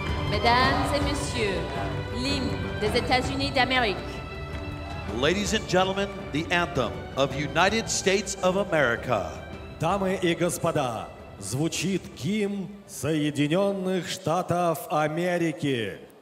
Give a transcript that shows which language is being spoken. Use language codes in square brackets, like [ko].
[fr] Mesdames et messieurs, l'hymne des États-Unis d'Amérique. [en] Ladies and gentlemen, the anthem of United States of America. [ru] Дамы и господа, звучит гимн Соединенных Штатов Америки.